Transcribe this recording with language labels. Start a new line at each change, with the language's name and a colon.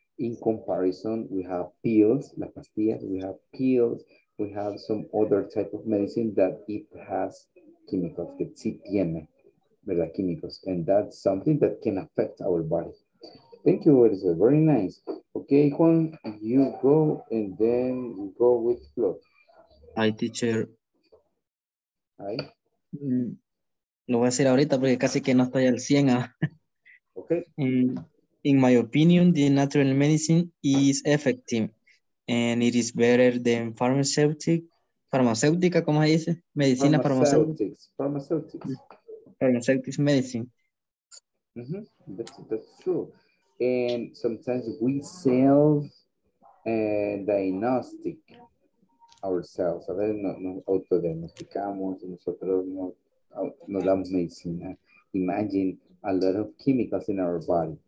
English: In comparison, we have pills, la pastilla, we have pills, we have some other type of medicine that it has chemicals,
Spanish: que sí tiene, ¿verdad?
English: Chemicals. And that's something that can affect our body. Thank you, Elizabeth. Very nice. Okay, Juan, you go and then you go with Flo. Hi, teacher. Hi.
Spanish: Lo voy a decir ahorita porque casi que no estoy al 100.
English: Okay. In my opinion, the natural medicine is effective and it is better than pharmaceutical,
Spanish: ¿cómo se dice? Medicina
English: pharmaceutics medicine. Mm-hmm. That's true. And sometimes we sell diagnostic ourselves.
Spanish: A veces nos autodiagnosticamos y nosotros nos damos medicina.
English: Imagine a lot of chemicals in our body.